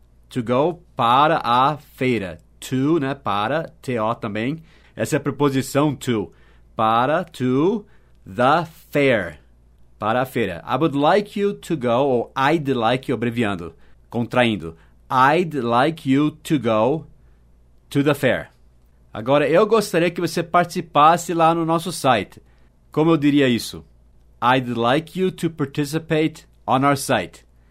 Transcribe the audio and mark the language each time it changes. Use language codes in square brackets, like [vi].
[en] To go [pt] para a feira. To, né? Para, T-O também. Essa é a preposição to. Para, [en] to, the fair. [pt] Para a feira. [en] I would like you to go, ou I'd like, [pt] abreviando, contraindo. [en] I'd like you to go to the fair. [pt] Agora, eu gostaria que você participasse lá no nosso site. Como eu diria isso? [en] I'd like you to participate on our site.